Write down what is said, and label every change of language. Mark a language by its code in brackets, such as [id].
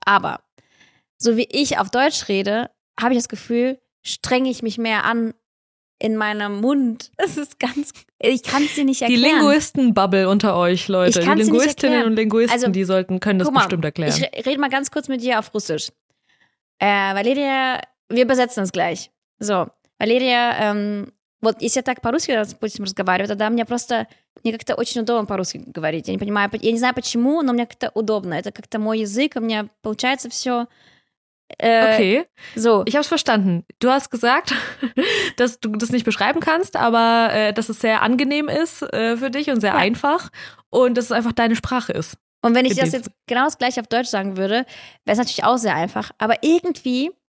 [de] Aber so wie ich auf Deutsch rede, habe ich das Gefühl, strenge ich mich mehr an in meinem Mund. Es ist ganz, ich kann es dir nicht erklären. Die Linguisten-Bubble unter euch, Leute. Ich die Linguistinnen und Linguisten, also, die sollten, können das mal, bestimmt erklären. Ich rede mal ganz kurz mit dir auf Russisch. Valeria, wir übersetzen es gleich. So. [ru] Валерия, вот если я так по-русски, допустим, разговариваю, тогда мне просто, мне как-то очень удобно по-русски говорить. Я не понимаю, я не знаю почему, но мне как-то удобно. Это как-то мой язык, у меня получается все. [de] Okay, so. Ich habe es verstanden. Du hast gesagt, dass du das nicht beschreiben kannst, aber dass es sehr angenehm ist für dich und sehr einfach und dass es einfach deine Sprache ist. Und wenn ich das jetzt genau das gleiche auf Deutsch sagen würde, wäre es natürlich auch sehr einfach, aber irgendwie...